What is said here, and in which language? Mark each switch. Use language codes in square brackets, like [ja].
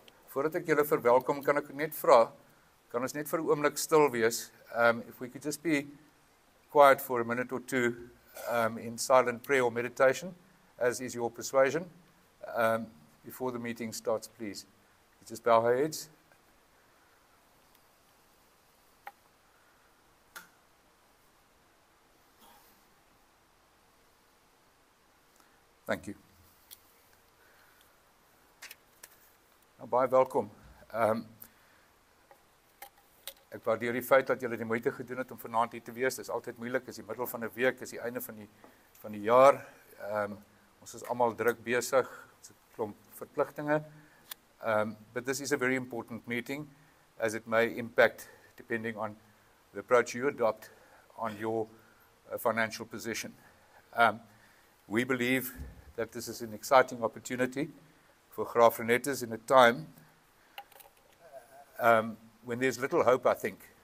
[af] Voordat ek julle verwelkom, kan ek net vra, kan ons net vir 'n oomblik stil wees? [en] If we could just be quiet for a minute or two in silent prayer or meditation, as is your persuasion, before the meeting starts, please. You just bow our heads. Thank you. [af] Nou, baie welkom. Ek waardeer die feit dat julle die moeite gedoen het om vanaand hier te wees. Dit is altyd moeilik, is die middel van 'n week, is die einde van die jaar. Ons is almal druk besig, 'n klomp verpligtinge. [en] But this is a very important meeting as it may impact depending on the approach you adopt on your financial position. We believe that this is an exciting opportunity for Graaf Reinetters in a time when there's little hope, I think.